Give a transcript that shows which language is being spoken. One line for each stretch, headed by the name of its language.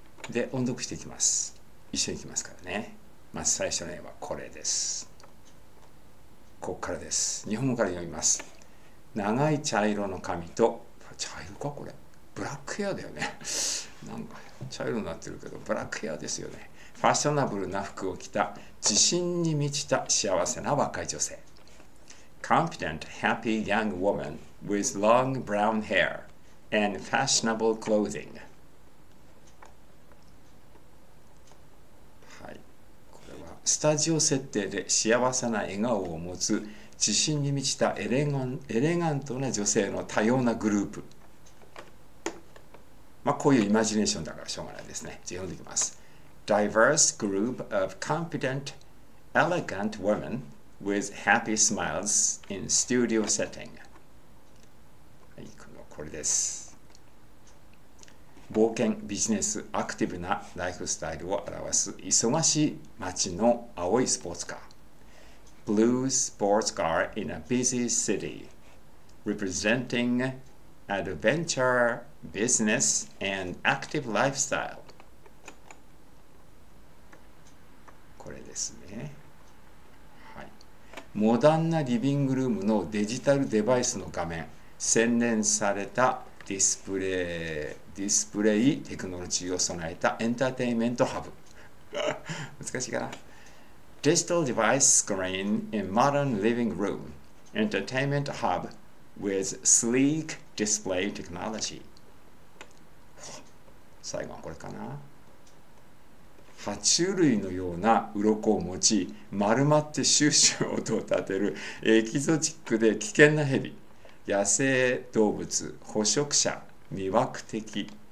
Japanese: で、音読していきます。一緒にいきますからね。まず最初の絵はこれです。こっからです。日本語から読みます。長い茶色の髪と、茶色かこれ。ブラックヘアだよね。なんか茶色になってるけど、ブラックヘアですよね。ファッショナブルな服を着た、自信に満ちた幸せな若い女性。
English: Confident, happy young woman with long brown hair and fashionable clothing.
Japanese: はい、これはスタジオ設定で幸せな笑顔を持つ、自信に満ちたエレガントな女性の多様なグループ。まあ、こういうイマジネーションだからしょうがないですね。じゃあ読んでいきます。
English: Diverse group of competent, elegant women with happy smiles in studio setting。
Japanese: はい、これです。冒険、ビジネス、アクティブなライフスタイルを表す忙しい街の青いスポーツカー。
English: Blue sports car in a busy city, representing adventure, business, and active lifestyle。
Japanese: これですね。モダンなリビングルームのデジタルデバイスの画面、洗練されたディスプレイテクノロジーを備えたエンターテインメントハブ。難しいかな。
English: デジタルデバイススクリーン in modern living room entertainment hub with sleek display technology。
Japanese: 最後はこれかな。爬虫類のような鱗を持ち、丸まって収集音を立てるエキゾチックで危険なヘビ、野生動物、捕食者、魅惑的。